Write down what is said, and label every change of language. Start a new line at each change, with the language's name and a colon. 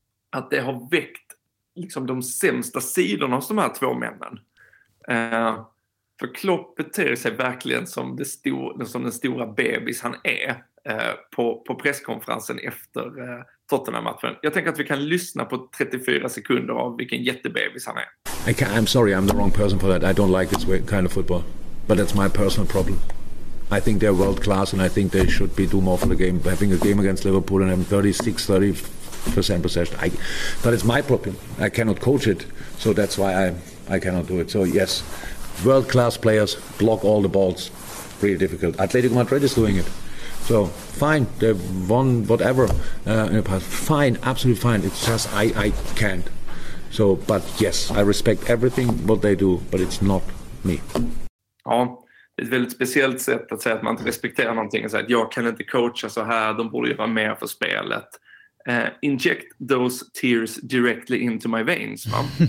Swedish: Att det har väckt liksom de sämsta sidorna hos de här två männen. För Klopp beter sig verkligen som, det som den stora bebis han är på presskonferensen efter Tottenham-matchen. Jag tänker att vi kan lyssna på 34 sekunder av vilken jättebebis han är.
English: I'm sorry, I'm the wrong person for that. I don't like this kind of football. But that's my personal problem. I think they're world class and I think they should be do more for the game. Having a game against Liverpool and having 36-30% possession. But it's my problem. I cannot coach it. So that's why I cannot do it. So yes, world class players block all the balls. Really difficult. Atletico Madrid is doing it. So fine, they won whatever in the past. Fine, absolutely fine. It's just I can't. So, but yes, I respect everything what they do, but it's not me.
Swedish: Ja, det är ett väldigt speciellt sätt att säga att man inte respekterar någonting. Så att jag kan inte coacha så här, de borde ju vara med för spelet.
English: Inject those tears directly into my veins,
Swedish: va?